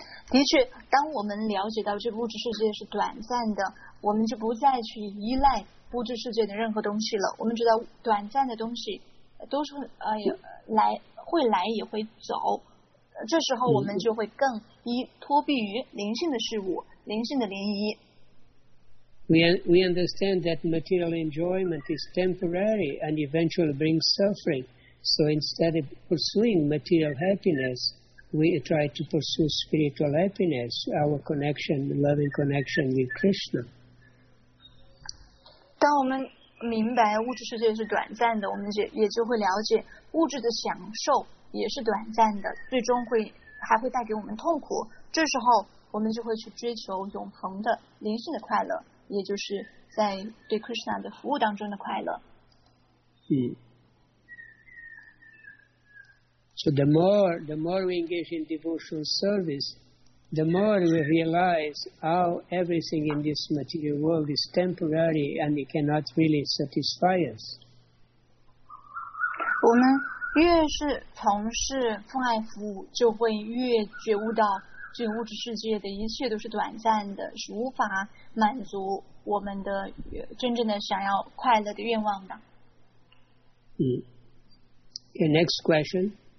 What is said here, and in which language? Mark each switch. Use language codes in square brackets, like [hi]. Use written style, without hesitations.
[zh] 的确，当我们了解到这物质世界是短暂的，我们就不再去依赖物质世界的任何东西了。我们知道短暂的东西都是会来也会走，这时候我们就会更脱避于灵性的事物，灵性的涟漪。 [en] We understand that material enjoyment is temporary and eventually brings suffering. So instead of pursuing material happiness, we try to pursue spiritual happiness, our connection, loving connection with Krishna. [zh] 当我们明白物质世界是短暂的，我们也就会了解物质的享受也是短暂的，最终还会带给我们痛苦。这时候我们就会去追求永恒的灵性的快乐，也就是在对 Krishna 的服务当中的快乐。 [en] So the more we engage in devotional service, the more we realize how everything in this material world is temporary and it cannot really satisfy us. [zh] 我们越是从事奉爱服务，就会越觉悟到这物质世界的一切都是短暂的，是无法满足我们的真正的想要快乐的愿望的。 [en] Next question.